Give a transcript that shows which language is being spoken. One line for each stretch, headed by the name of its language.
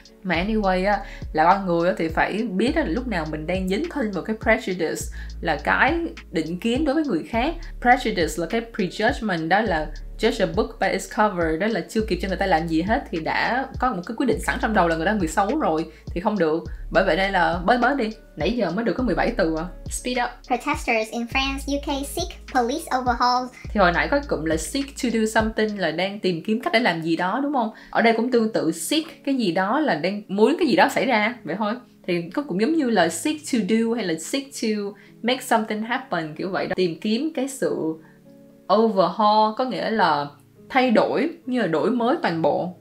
Vietnamese: Mà anyway á, là con người á, thì phải biết là lúc nào mình đang dính thân vào cái prejudice, là cái định kiến đối với người khác. Prejudice là cái prejudgment, đó là
English: judge a book by its cover,
Vietnamese: đó là chưa kịp cho người ta làm gì hết thì đã có một cái quyết định sẵn trong đầu là người ta người xấu rồi, thì không được. Bởi vậy đây là bớt bớt đi, nãy giờ mới được có 17 từ à.
English: Speed up. Protesters in France, UK seek police overhaul.
Vietnamese: Thì hồi nãy có cụm là seek to do something, là đang tìm kiếm cách để làm gì đó đúng không? Ở đây cũng tương tự, seek cái gì đó là đang muốn cái gì đó xảy ra vậy thôi. Thì cũng giống như là
English: seek to do hay là seek to make something happen
Vietnamese: kiểu vậy đó. Tìm kiếm cái sự overhaul có nghĩa là thay đổi, như là đổi mới toàn bộ.